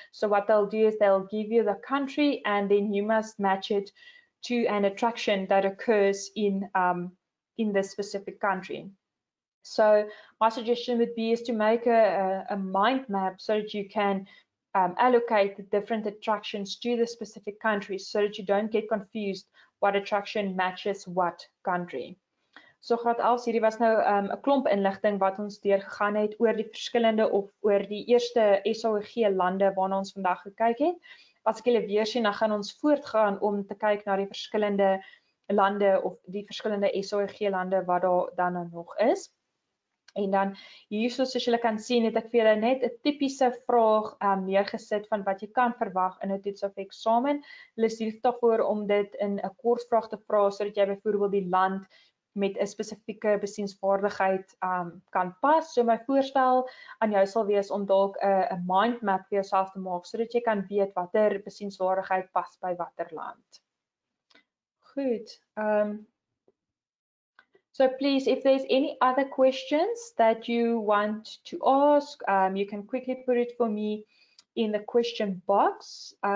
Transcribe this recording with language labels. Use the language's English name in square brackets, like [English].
[English] So what they'll do is they'll give you the country and then you must match it to an attraction that occurs in this specific country. So my suggestion would be is to make a mind map so that you can allocate the different attractions to the specific country so that you don't get confused what attraction matches what country. [Afrikaans] So graad 11, hierdie was nou 'n klomp inligting wat ons deurgegaan het oor die verskillende of oor die eerste SAG lande waarna ons vandag gekyk het. As ek julle weer sien, dan gaan ons voortgaan om te kyk na die verskillende lande of die verskillende SAG lande wat daar dan nog is. En dan hierso soos julle kan sien, het ek vir julle net 'n tipiese vraag neergesit van wat jy kan verwag in 'n toets of eksamen. Hulle stuur daarvoor om dit in 'n kort vraag te vra sodat jy byvoorbeeld die land met 'n spesifieke besienswaardigheid kan pas. So my voorstel aan jou sal wees om dalk 'n mind map vir jouself te maak sodat jy kan weet watter besienswaardigheid pas by watter land. Goed. [English] So please, if there's any other questions that you want to ask, you can quickly put it for me in the question box.